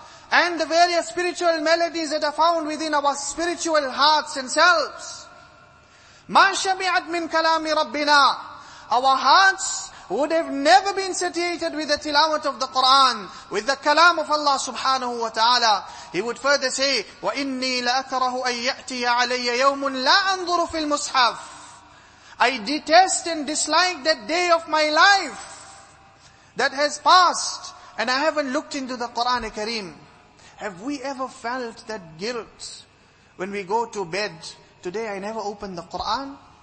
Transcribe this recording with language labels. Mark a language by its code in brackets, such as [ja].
[en] And the various spiritual melodies that are found within our spiritual hearts and selves. [ar] مَا شَمِعَتْ مِنْ كَلَامِ رَبِّنَا. [en] Our hearts would have never been satiated with the tilawat of the Qur'an, with the kalam of Allah subhanahu wa ta'ala. He would further say, [ar] وَإِنِّي لَأَكْرَهُ أَن يَأْتِيَ عَلَيَّ يَوْمٌ لَا أَنْظُرُ فِي الْمُصْحَفِ. [en] I detest and dislike that day of my life that has passed and I haven't looked into the Qur'an Kareem. Have we ever felt that guilt when we go to bed? Today I never opened the Quran.